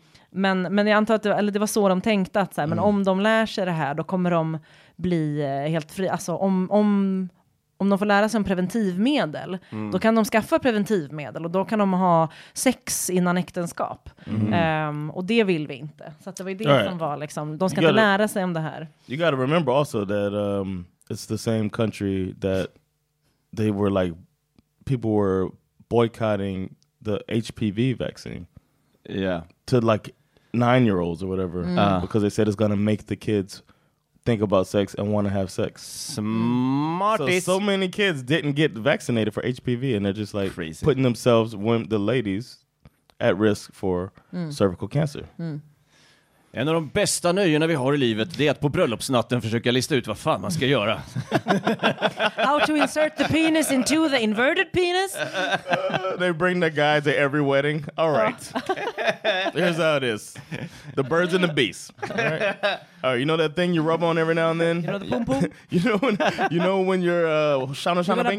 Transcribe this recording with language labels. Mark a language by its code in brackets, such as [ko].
[sv] Men jag antar att det var så de tänkte att så här, men om de lär sig det här, då kommer de bli helt fri. Alltså om de får lära sig om preventivmedel, då kan de skaffa preventivmedel och då kan de ha sex innan äktenskap. Mm. Och det vill vi inte. Så att det var ju det som var liksom, de ska inte lära sig om det här. [en] You gotta remember also that it's the same country that they were like, people were boycotting the HPV vaccine. Yeah. To like 9-year-olds or whatever, because they said it's gonna make the kids think about sex and want to have sex. Smarties. So many kids didn't get vaccinated for HPV, and they're just like crazy, putting themselves, the ladies, at risk for cervical cancer. Mm. [sv] En av de bästa nöjena vi har i livet, det är att på bröllopsnatten försöka lista ut vad fan man ska göra. [en] How to insert the penis into the inverted penis? They bring the guy to every wedding. All right. Here's how it is. The birds and the bees. All right. You know that thing you rub on every now and then? You know the boom boom? you know when you're shana shana bing